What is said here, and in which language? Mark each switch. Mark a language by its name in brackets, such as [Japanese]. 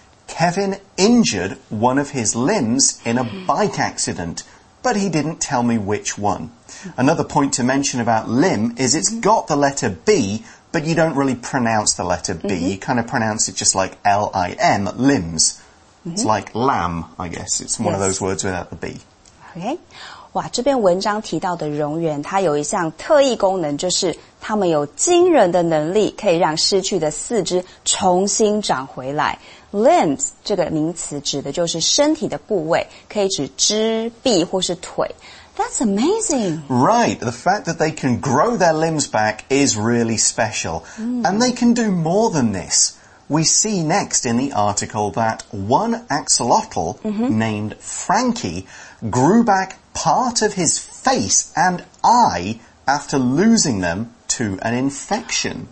[English] Kevin injured one of his limbs in a bike accident, but he didn't tell me which one. Another point to mention about limb is it's got the letter B, but you don't really pronounce the letter B. You kind of pronounce it just like L-I-M, limbs. It's like lamb, I guess. It's one of those words without the B. Okay. [Chinese] 哇，这篇文章提到的蝾螈，它有一项特异功能，就是它们有惊人的能力，可以让失去的四肢重新长回来。 Limbs 这个名词指的就是身体的部位，可以指肢、臂或是腿。 [English] That's amazing. Right. The fact that they can grow their limbs back is really special. And they can do more than this. We see next in the article that one axolotl named Frankie grew back part of his face and eye after losing them to an infection.